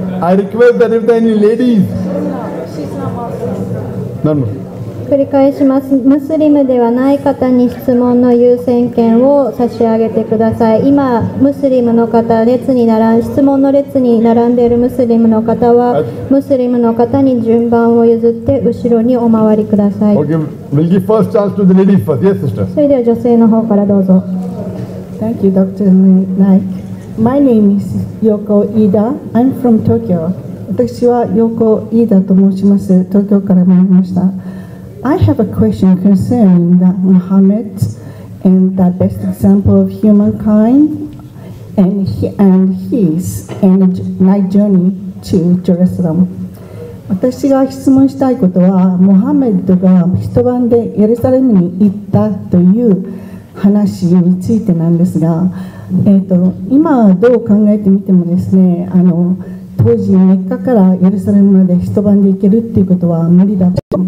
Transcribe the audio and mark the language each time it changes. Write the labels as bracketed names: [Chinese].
[English] I request that if there are any ladies, non-Muslims. [Japanese] 繰り返します。ムスリムではない方に質問の優先権を差し上げてください。今ムスリムの方列に並ん質問の列に並んでいるムスリムの方はムスリムの方に順番を譲って後ろにお回りください。 [English] We'll give first chance to the ladies first. Yes, sister. [Japanese] それでは女性の方からどうぞ。 [English] Thank you, Dr. Naik. My name is Yoko Ida. I'm from Tokyo. [Japanese] 私は Yoko Ida と申します。東京から参りました。 [English] I have a question concerning that Muhammad and the best example of humankind and his and my journey to Jerusalem. [Japanese] 私が質問したいことは、モハメッドが一晩でエルサレムに行ったという話についてなんですが、今どう考えてみてもですね、当時メッカからエルサレムまで一晩で行けるっていうことは無理だと。